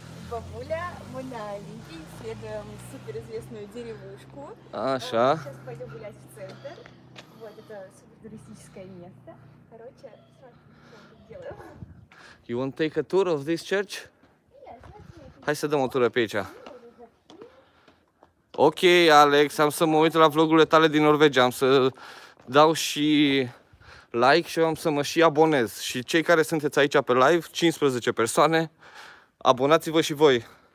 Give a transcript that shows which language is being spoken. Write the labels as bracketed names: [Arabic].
[Russian] Бабуля, мы на Олимпе исследуем суперизвестную деревушку. Аша. Мы сейчас пойдем гулять в центр. Вот это супертуристическое место. Короче, что делаем? [English] You want to take a tour of this church? [Romanian] Hai să dăm o tură pe aici. Ok, Alex, am să mă uit la vlogurile tale din Norvegia. Am să dau și like și am să mă și abonez. Și cei care sunteți aici pe live, 15 persoane, abonați-vă și voi.